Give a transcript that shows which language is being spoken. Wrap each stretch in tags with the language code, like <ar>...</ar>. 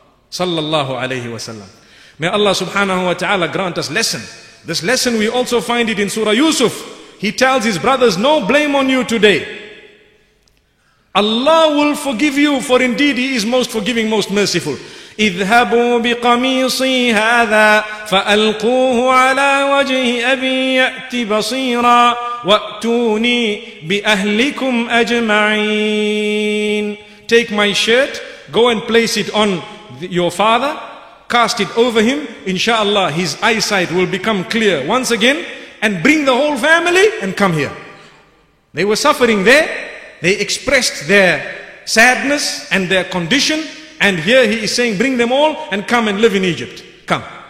<en>Sallallahu alayhi wa sallam. May Allah subhanahu wa ta'ala grant us lesson. This lesson, we also find it in Surah Yusuf. He tells his brothers, no blame on you today. Allah will forgive you, for indeed He is most forgiving, most merciful.</en> <ar>اذهبوا بقميصي هذا فألقوه على وجه أبي يأتي بصيرا وأتوني بأهلكم أجمعين.</ar> <en>Take my shirt, go and place it on your father, cast it over him, inshallah his eyesight will become clear once again, and bring the whole family and come here. They were suffering there, they expressed their sadness and their condition, and here he is saying, bring them all and come and live in Egypt. Come.</en>